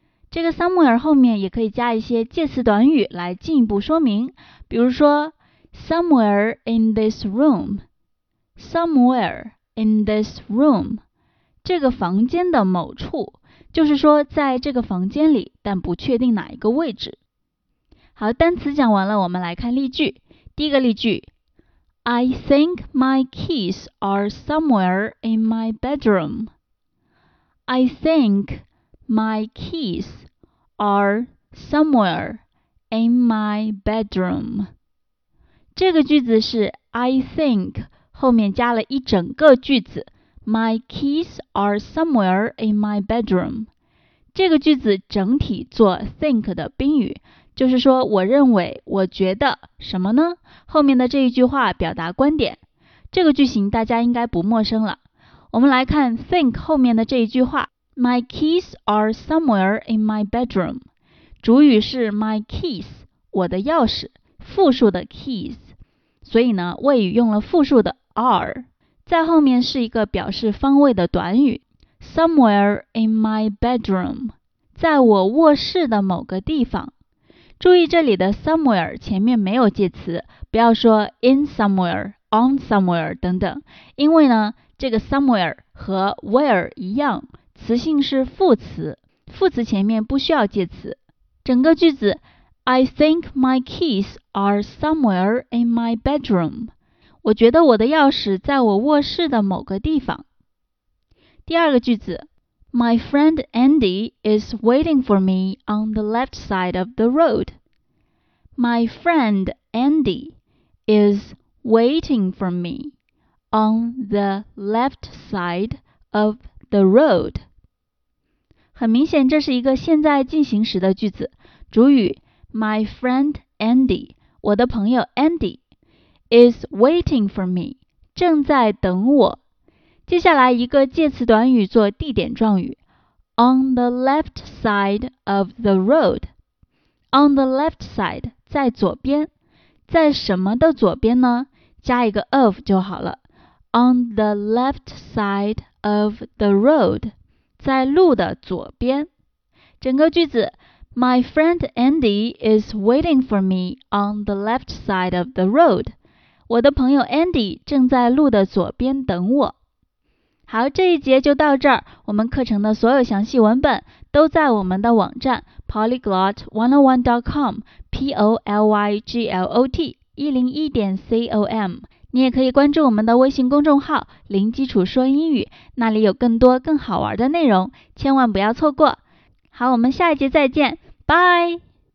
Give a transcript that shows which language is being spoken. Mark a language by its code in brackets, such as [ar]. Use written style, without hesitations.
[zh] 这个 somewhere 后面也可以加一些介词短语来进一步说明，比如说 [en] somewhere in this room， [zh] somewhere in this room， 这个房间的某处，就是说在这个房间里，但不确定哪一个位置。好，单词讲完了，我们来看例句。第一个例句， [en] I think my keys are somewhere in my bedroom。 I think my keys are somewhere in my bedroom。 [zh] 这个句子是 [en] I think [zh] 后面加了一整个句子， [en] My keys are somewhere in my bedroom。 [zh] 这个句子整体做 think 的宾语，就是说我认为、我觉得什么呢？后面的这一句话表达观点。这个句型大家应该不陌生了。我们来看 think 后面的这一句话， [en] My keys are somewhere in my bedroom， [zh] 主语是 [en] my keys， [zh] 我的钥匙，复数的 keys， 所以呢谓语用了复数的 are， 在后面是一个表示方位的短语 [en] somewhere in my bedroom， [zh] 在我卧室的某个地方。注意这里的 somewhere 前面没有介词，不要说 [en] in somewhere， on somewhere [zh] 等等，因为呢这个 somewhere 和 where 一样，词性是副词，副词前面不需要介词。 [en] 整个句子 I think my keys are somewhere in my bedroom， [zh] 我觉得我的钥匙在我卧室的某个地方。 [en] 第二个句子， My friend Andy is waiting for me on the left side of the road. My friend Andy is waiting for me on the left side of the road. [zh] 很明显，这是一个现在进行时的句子，主语 [en] My friend Andy， [zh] 我的朋友 Andy [en] is waiting for me， [zh] 正在等我。接下来一个介词短语做地点状语， [en] on the left side of the road， on the left side， [zh] 在左边，在什么的左边呢？加一个 of 就好了， [en] on the left side of the road， [zh] 在路的左边。整个句子， [en] My friend Andy is waiting for me on the left side of the road， [zh] 我的朋友 Andy 正在路的左边等我。好，这一节就到这儿。我们课程的所有详细文本都在我们的网站 polyglot101.com polyglot101.com。你也可以关注我们的微信公众号“零基础说英语”，那里有更多更好玩的内容，千万不要错过。好，我们下一节再见，拜。